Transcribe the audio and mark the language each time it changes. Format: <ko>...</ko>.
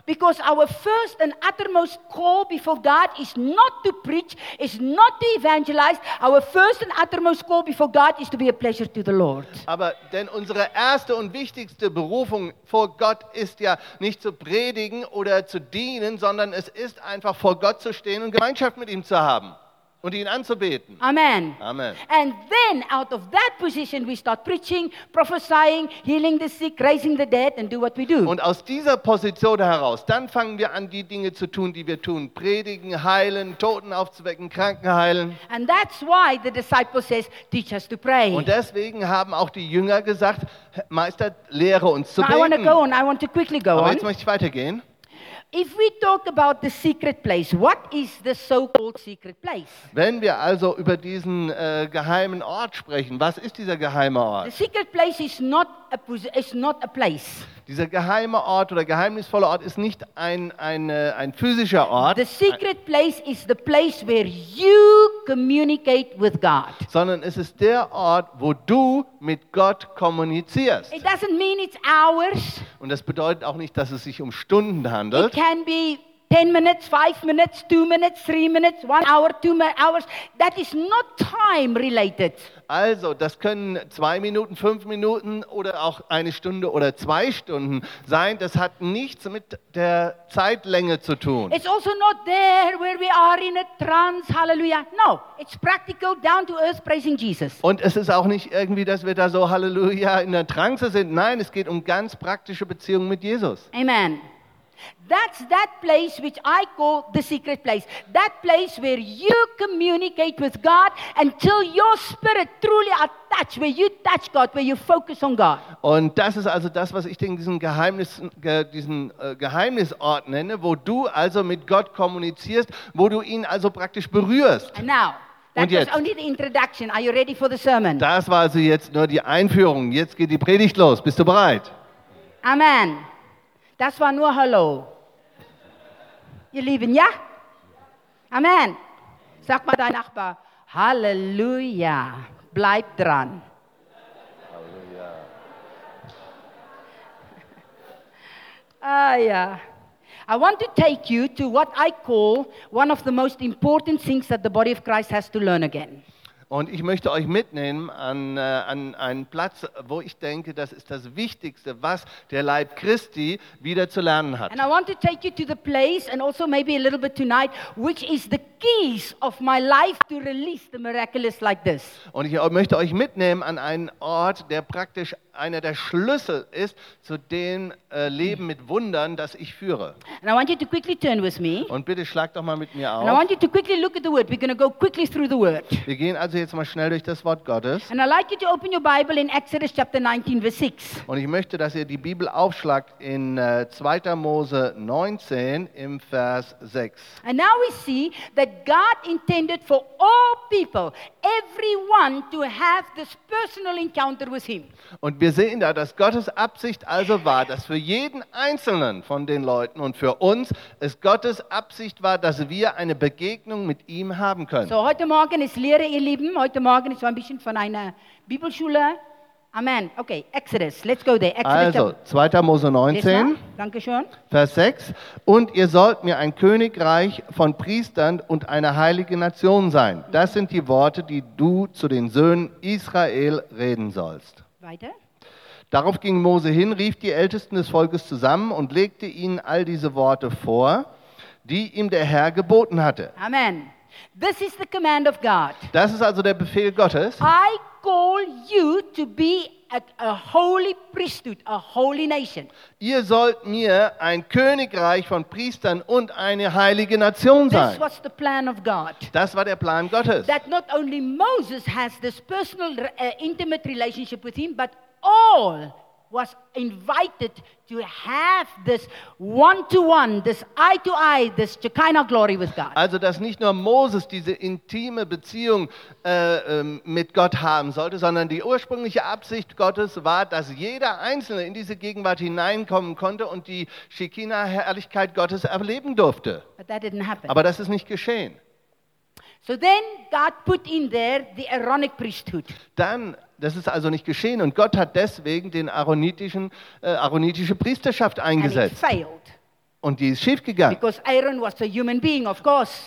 <en>Because our first and uttermost call before God is not to preach, is not to evangelize. Our first and uttermost call before God is to be a pleasure to the Lord.</en> <de>Aber denn unsere erste und wichtigste Berufung vor Gott ist ja nicht zu predigen oder zu dienen, sondern es ist einfach vor Gott zu stehen und Gemeinschaft mit ihm zu haben und ihn anzubeten. Amen. Amen.</de> <en>And then out of that position we start preaching, prophesying, healing the sick, raising the dead and do what we do.</en> <de>Und aus dieser Position heraus, dann fangen wir an, die Dinge zu tun, die wir tun. Predigen, heilen, Toten aufzuwecken, Kranken heilen.</de> <en>And that's why the disciple says, teach us to pray.</en> <de>Und deswegen haben auch die Jünger gesagt, Meister, lehre uns zu beten.</de> <en>I want to go on, I want to quickly go on.</en> <de>Aber jetzt möchte ich weitergehen.</de> <en>If we talk about the secret place, what is the so-called secret place?</en> <de>Wenn wir also über diesen geheimen Ort sprechen, was ist dieser geheime Ort?</de> <en>The secret place is not a place.</en> <de>Dieser geheime Ort oder geheimnisvolle Ort ist nicht ein physischer Ort.</de> <en>The secret place is the place where you communicate with God.</en> <de>Sondern es ist der Ort, wo du mit Gott kommunizierst.</de> <en>It doesn't mean it's hours.</en> <de>Und das bedeutet auch nicht, dass es sich um Stunden handelt.</de> <en>It can be 10 minutes, 5 minutes, 2 minutes, 3 minutes, 1 hour, 2 hours. That is not time related.</en> <de>Also, das können 2 Minuten, 5 Minuten oder auch eine Stunde oder 2 Stunden sein. Das hat nichts mit der Zeitlänge zu tun.</de> <en>It's also not there where we are in a trance, hallelujah. No, it's practical, down to earth, praising Jesus.</en> <de>Und es ist auch nicht irgendwie, dass wir da so, hallelujah, in der Trance sind. Nein, es geht um ganz praktische Beziehungen mit Jesus. Amen.</de> <en>That's that place which I call the secret place. That place where you communicate with God until your spirit truly attached, where you touch God, where you focus on God.</en> <de>Und das ist also das, was ich diesen Geheimnisort nenne, wo du also mit Gott kommunizierst, wo du ihn also praktisch berührst.</de> <en>And now. That was only the introduction. Are you ready for the sermon?</en> <de>Das war also jetzt nur die Einführung. Jetzt geht die Predigt los. Bist du bereit? Amen. Das war nur Hallo. Ihr Lieben, ja? Amen. Sag mal dein Nachbar, Halleluja. Bleib dran. Halleluja. Ah ja.</de> <en>I want to take you to what I call one of the most important things that the body of Christ has to learn again.</en> <de>Und ich möchte euch mitnehmen an einen Platz, wo ich denke, das ist das Wichtigste, was der Leib Christi wieder zu lernen hat.</de> <en>And I want to take you to the place and also maybe a little bit tonight, which is the keys of my life to release the miraculous like this.</en> <de>Und ich möchte euch mitnehmen an einen Ort, der praktisch einer der Schlüssel ist zu dem Leben mit Wundern, das ich führe.</de> <en>And I want you to quickly turn with me.</en> <de>Und bitte schlag doch mal mit mir auf.</de> <en>And I want you to quickly look at the word. We're going to go quickly through the word.</en> <de>Wir gehen also jetzt mal schnell durch das Wort Gottes.</de> <en>And I like you to open your Bible in Exodus chapter 19 verse 6.</en> <de>Und ich möchte, dass ihr die Bibel aufschlagt in 2. Mose 19 im Vers 6.</de> <en>And now we see that God intended for all people, everyone, to have this personal encounter with him.</en> <de>Und wir sehen da, dass Gottes Absicht also war, dass für jeden Einzelnen von den Leuten und für uns es Gottes Absicht war, dass wir eine Begegnung mit ihm haben können. So, heute Morgen ist Lehre, ihr Lieben. Heute Morgen ist so ein bisschen von einer Bibelschule.</de> <en>Amen. Okay, Exodus. Let's go there. Exodus.</en> <de>Also, 2. Mose 19, Vers 6. Und ihr sollt mir ein Königreich von Priestern und eine heilige Nation sein. Das sind die Worte, die du zu den Söhnen Israel reden sollst. Weiter. Darauf ging Mose hin, rief die Ältesten des Volkes zusammen und legte ihnen all diese Worte vor, die ihm der Herr geboten hatte.</de> <en>Amen. This is the command of God.</en> <de>Das ist also der Befehl Gottes.</de> <en>I call you to be a holy priesthood, a holy nation.</en> <de>Ihr sollt mir ein Königreich von Priestern und eine heilige Nation sein.</de> <en>This was the plan of God.</en> <de>Das war der Plan Gottes.</de> <en>That not only Moses has this personal intimate relationship with him, but all was invited to have this one-to-one, this eye-to-eye, this Shekinah glory with God.</en> <de>Also, dass nicht nur Moses diese intime Beziehung mit Gott haben sollte, sondern die ursprüngliche Absicht Gottes war, dass jeder Einzelne in diese Gegenwart hineinkommen konnte und die Shekinah-Herrlichkeit Gottes erleben durfte.</de> <en>But that didn't happen.</en> <de>Aber das ist nicht geschehen.</de> <en>So then God put in there the Aaronic priesthood.</en> <de>Dann, das ist also nicht geschehen, und Gott hat deswegen den aaronitische Priesterschaft eingesetzt.</de> <en>And it failed.</en> <de>Und die ist schiefgegangen.</de> <en>Because Aaron was a human being, of course.</en>